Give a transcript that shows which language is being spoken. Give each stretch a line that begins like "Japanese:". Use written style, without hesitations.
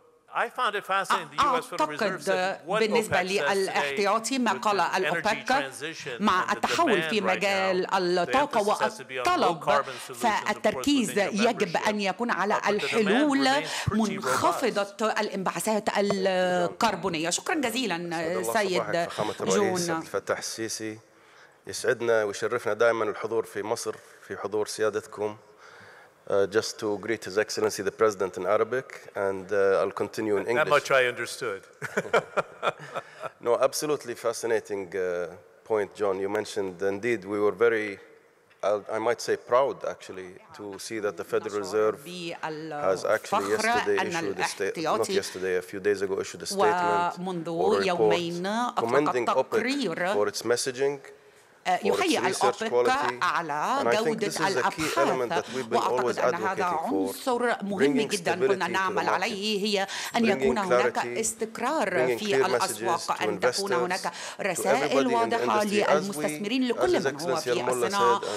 Arabic: أعتقد بالنسبة للإحتياطي ما قال الأوبك مع التحول في مجال الطاقة والطلب، فالتركيز يجب أن يكون على الحلول منخفضة الانبعاثات الكربونية. شكرا جزيلا سيد جون. الفتاح السيسي، يسعدنا ويشرفنا دائما الحضور في مصر في حضور سيادتكم.
English: Just to greet His Excellency the President in Arabic, and I'll continue in English. That much I understood. No, absolutely fascinating point, John. You mentioned, indeed, we were very, I might say, proud, actually, to see that the Federal Reserve has actually yesterday issued a statement, not yesterday, a few days ago, issued a statement or a report commending OPEC for its messaging.
Arabic: يحيي الأوبك على جودة الأبحاث، وأعتقد أن هذا عنصر مهم جدا كنا نعمل عليه، هي أن يكون هناك استقرار في الأسواق، أن تكون هناك رسائل واضحة للمستثمرين لكل من هو في الصناعة.